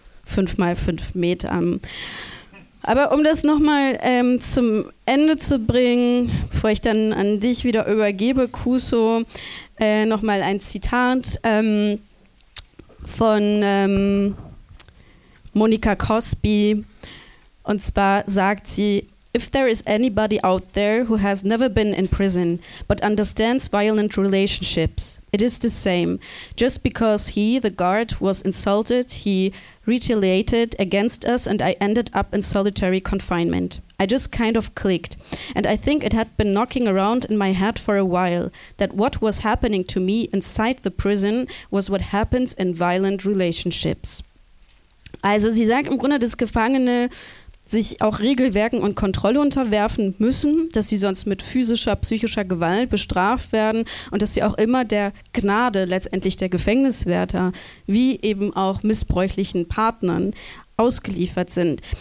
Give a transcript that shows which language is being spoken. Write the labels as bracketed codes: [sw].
[de] 5x5 Metern. Aber um das nochmal zum Ende zu bringen, bevor ich dann an dich wieder übergebe, Kuso, nochmal ein Zitat von Monica Cosby. Und zwar sagt sie: [en] If there is anybody out there who has never been in prison but understands violent relationships, it is the same. Just because he, the guard, was insulted, he retaliated against us and I ended up in solitary confinement. I just kind of clicked. And I think it had been knocking around in my head for a while that what was happening to me inside the prison was what happens in violent relationships. [de] Also sie sagt im Grunde, dass Gefangene sich auch Regelwerken und Kontrolle unterwerfen müssen, dass sie sonst mit physischer, psychischer Gewalt bestraft werden und dass sie auch immer der Gnade, letztendlich der Gefängniswärter, wie eben auch missbräuchlichen Partnern, ausgeliefert sind.